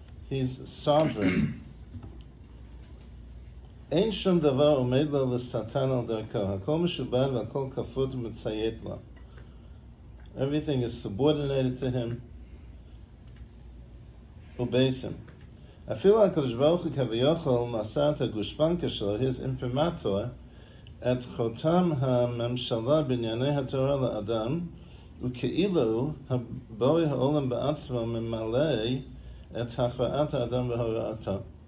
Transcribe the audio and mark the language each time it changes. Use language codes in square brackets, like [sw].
[en] He's sovereign. [he] אין שום דבר עומד לו לשטן על דרכו. הכל משובד והכל כפות ומציית לו. [en] Everything is subordinated to him. Obeys him. [he] אפילו הקדוש ברוך הוא כביכול מסר את הגושפנקה שלו, [en] his imprimatur, [he] את חותם הממשלה בענייני התורה לאדם, וכאילו בורא העולם בעצמו ממלא את הכרעת האדם והוראתו.